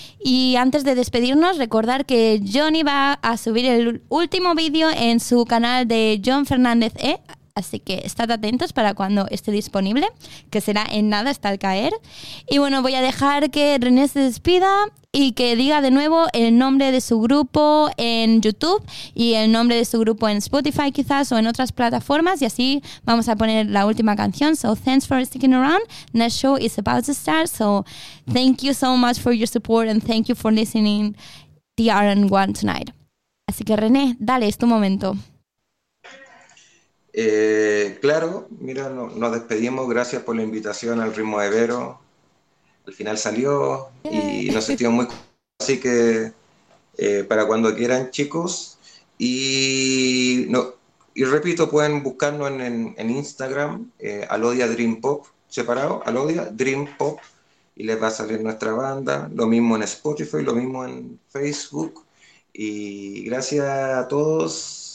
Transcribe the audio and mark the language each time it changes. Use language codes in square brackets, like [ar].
[es] Y antes de despedirnos, recordar que Johnny va a subir el último vídeo en su canal de John Fernández E, así que estad atentos para cuando esté disponible, que será en nada hasta el caer. Y bueno, voy a dejar que René se despida y que diga de nuevo el nombre de su grupo en YouTube y el nombre de su grupo en Spotify quizás o en otras plataformas, y así vamos a poner la última canción. [en] So thanks for sticking around, next show is about to start, so thank you so much for your support and thank you for listening the RN1 tonight. [es] Así que René, dale, es tu momento. Claro, mira, nos despedimos, gracias por la invitación al ritmo de Vero, al final salió y nos sentimos muy así que para cuando quieran, chicos, y no, y repito, pueden buscarnos en Instagram, Alodia Dream Pop, separado, Alodia Dream Pop, y les va a salir nuestra banda, lo mismo en Spotify, lo mismo en Facebook, y gracias a todos.